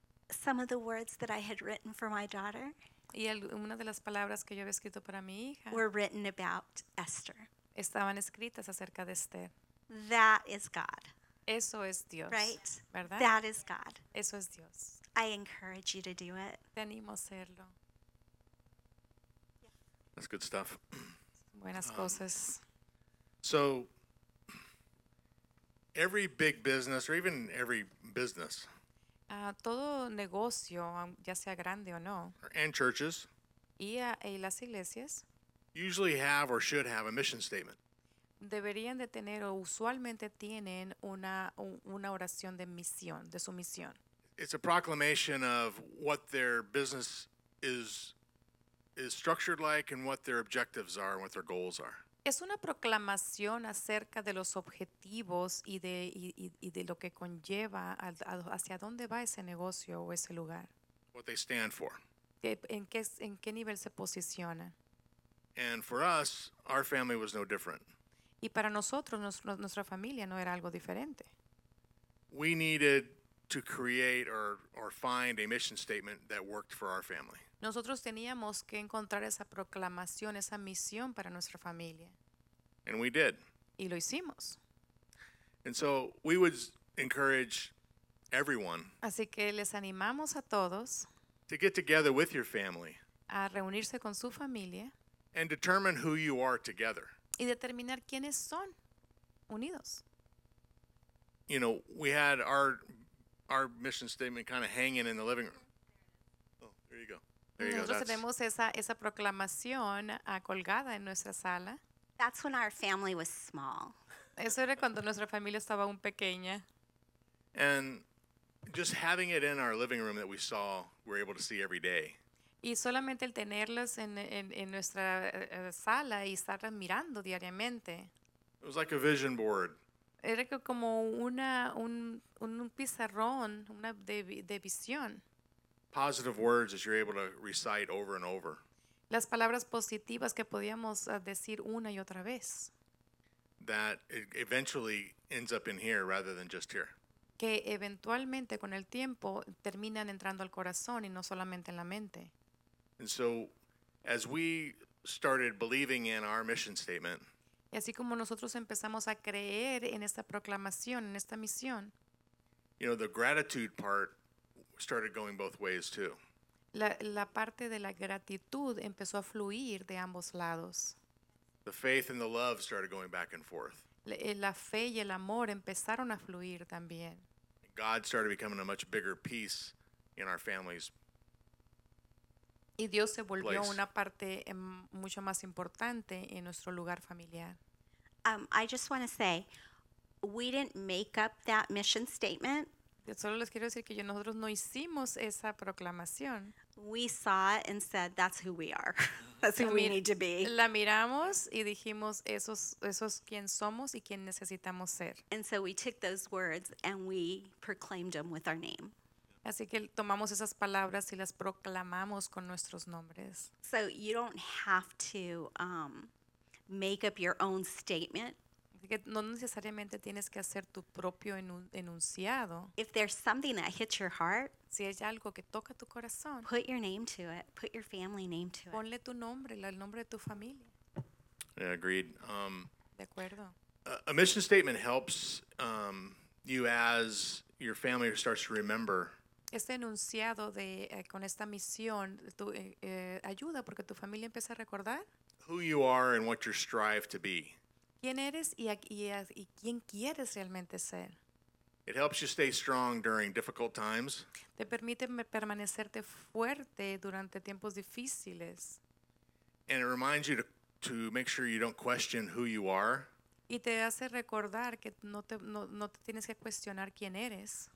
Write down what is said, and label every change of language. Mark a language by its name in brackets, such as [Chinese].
[English] Some of the words that I had written for my daughter. [Spanish] Y una de las palabras que yo había escrito para mi hija. [English] Were written about Esther. [Spanish] Estaban escritas acerca de Esther. [English] That is God. [Spanish] Eso es Dios. [English] Right? [Spanish] ¿Verdad? [English] That is God. [Spanish] Eso es Dios. [English] I encourage you to do it. [Spanish] Te animo a hacerlo. [English] That's good stuff. [Spanish] Buenas cosas. [English] So every big business or even every business. [Spanish] Todo negocio, ya sea grande o no, [English] and churches, [Spanish] y las iglesias, [English] usually have or should have a mission statement. [Spanish] Deberían de tener o usualmente tienen una oración de misión, de su misión. [English] It's a proclamation of what their business is structured like and what their objectives are and what their goals are. [Spanish] Es una proclamación acerca de los objetivos y de lo que conlleva hacia dónde va ese negocio o ese lugar. [English] What they stand for. [Spanish] ¿En qué nivel se posiciona? [English] And for us, our family was no different. [Spanish] Y para nosotros, nuestra familia no era algo diferente. [English] We needed to create or find a mission statement that worked for our family. [Spanish] Nosotros teníamos que encontrar esa proclamación, esa misión para nuestra familia. [English] And we did. [Spanish] Y lo hicimos. [English] And so we would encourage everyone. [Spanish] Así que les animamos a todos. [English] To get together with your family. [Spanish] A reunirse con su familia. [English] And determine who you are together. [Spanish] Y determinar quiénes son unidos. [English] You know, we had our mission statement kind of hanging in the living room. Oh, there you go. [Spanish] Nosotros tenemos esa proclamación colgada en nuestra sala. [English] That's when our family was small. [Spanish] Eso era cuando nuestra familia estaba un pequeña. [English] And just having it in our living room that we saw, we're able to see every day. [Spanish] Y solamente el tenerlos en nuestra sala y estar mirando diariamente. [English] It was like a vision board. [Spanish] Era como un pizarrón, una de visión. [English] Positive words that you're able to recite over and over. [Spanish] Las palabras positivas que podíamos decir una y otra vez. [English] That it eventually ends up in here rather than just here. [Spanish] Que eventualmente con el tiempo terminan entrando al corazón y no solamente en la mente. [English] And so as we started believing in our mission statement. [Spanish] Y así como nosotros empezamos a creer en esta proclamación, en esta misión. [English] You know, the gratitude part started going both ways too. [Spanish] La parte de la gratitud empezó a fluir de ambos lados. [English] The faith and the love started going back and forth. [Spanish] La fe y el amor empezaron a fluir también. [English] God started becoming a much bigger piece in our family's. [Spanish] Y Dios se volvió una parte mucho más importante en nuestro lugar familiar. [English] I just want to say, we didn't make up that mission statement. [Spanish] Solo les quiero decir que nosotros no hicimos esa proclamación. [English] We saw it and said, that's who we are. That's who we need to be. [Spanish] La miramos y dijimos, esos quién somos y quién necesitamos ser. [English] And so we took those words and we proclaimed them with our name. [Spanish] Así que tomamos esas palabras y las proclamamos con nuestros nombres. [English] So you don't have to make up your own statement. [Spanish] Que no necesariamente tienes que hacer tu propio enunciado. [English] If there's something that hits your heart, [Spanish] si hay algo que toca tu corazón, [English] put your name to it, put your family name to it. [Spanish] Ponle tu nombre, el nombre de tu familia. [English] Yeah, agreed. [Spanish] De acuerdo. [English] A mission statement helps you as your family starts to remember. [Spanish] Este enunciado de con esta misión ayuda porque tu familia empieza a recordar [English] who you are and what you strive to be. [Spanish] ¿Quién eres y quién quieres realmente ser? [English] It helps you stay strong during difficult times. [Spanish] Te permite permanecerte fuerte durante tiempos difíciles. [English] And it reminds you to make sure you don't question who you are. [Spanish] Y te hace recordar que no te tienes que cuestionar quién eres.